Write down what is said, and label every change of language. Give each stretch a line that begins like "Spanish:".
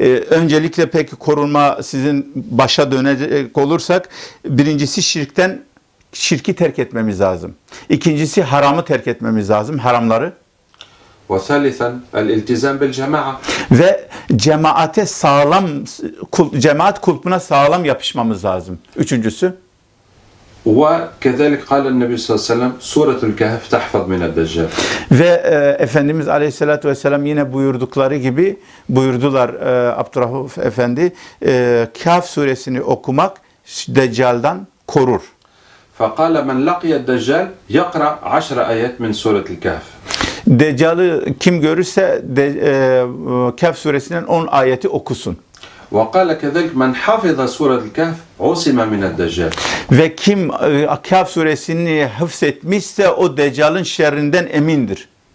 Turkish: Öncelikle peki korunma sizin başa dönecek olursak, birincisi şirkten şirki terk etmemiz lazım. İkincisi haramı terk etmemiz lazım, haramları.
Arabic: وثالثاً الالتزام بالجماعة.
Turkish: Ve cemaate sağlam, cemaat kulpuna sağlam yapışmamız lazım. Üçüncüsü.
Arabic: وكذلك قال النبي صلى الله عليه وسلم سورة الكهف تحفظ من الدجال.
Turkish: Ve Efendimiz Aleyhisselatü Vesselam yine buyurdukları gibi buyurdular Abdurrahuf Efendi, Kehf suresini okumak Deccal'dan korur.
Arabic: فقال من لقي الدجال يقرأ 10 آيات من سورة الكهف.
Turkish: Deccal'ı kim görürse Kehf suresinden 10 ayeti okusun.
Arabic: وقال كذلك من حفظ سورة الكهف عصم من الدجال.
Turkish: Ve kim Kehf suresini hıfzetmişse o Deccal'ın şerrinden emindir.